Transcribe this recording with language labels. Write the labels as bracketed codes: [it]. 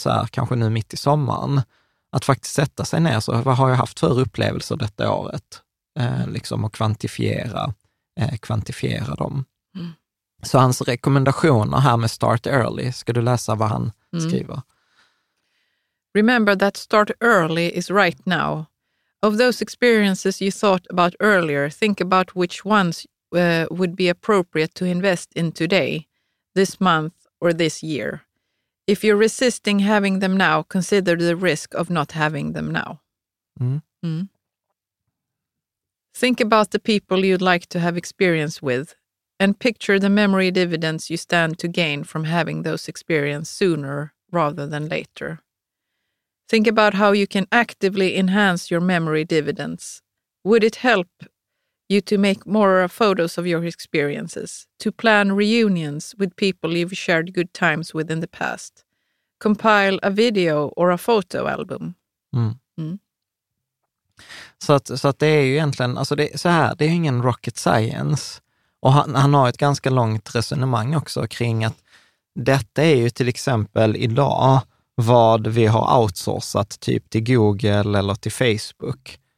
[sv] Så här, kanske nu mitt i sommaren. Att faktiskt sätta sig ner. Så, vad har jag haft för upplevelser detta året? Liksom och kvantifiera dem. Mm. Så hans rekommendationer här med start early, ska du läsa vad han skriver? [en] Remember that start early is right now. Of those experiences you thought about earlier, think about which ones would be appropriate to invest in today, this month or this year. If you're resisting having them now, consider the risk of not having them now. Think about the people you'd like to have experience with and picture the memory dividends you stand to gain from having those experiences sooner rather than later. Think about how you can actively enhance your memory dividends. Would it help you to make more photos of your experiences, to plan reunions with people you've shared good times with in the past, compile a video or a photo album? [sv] Så att det är ju egentligen, alltså det, så här, det är ju ingen rocket science. Och han har ett ganska långt resonemang också kring att detta är ju till exempel idag vad vi har outsourcat typ till Google eller till Facebook.